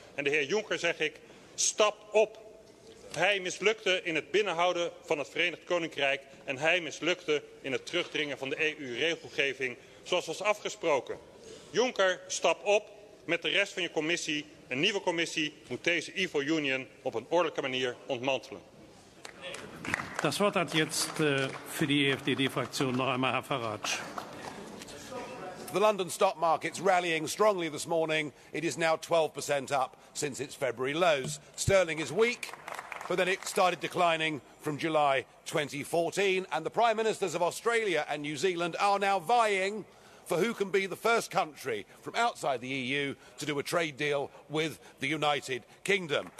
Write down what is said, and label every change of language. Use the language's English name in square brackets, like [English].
[Dutch] En de heer Juncker, zeg ik, stap op. Hij mislukte in het binnenhouden van het Verenigd Koninkrijk en hij mislukte in het terugdringen van de EU-regelgeving zoals was afgesproken. Juncker, stap op met de rest van je commissie. Een nieuwe commissie moet deze Evil Union op een ordelijke manier ontmantelen. [German] Das Wort hat jetzt für die AfD-Fraktion noch einmal Herr Farage. [English] The London stock market's rallying strongly this morning. It is now 12% up since its February lows. Sterling is weak, but then it started declining from July 2014. And the Prime Ministers of Australia and New Zealand are now vying for who can be the first country from outside the EU to do a trade deal with the United Kingdom.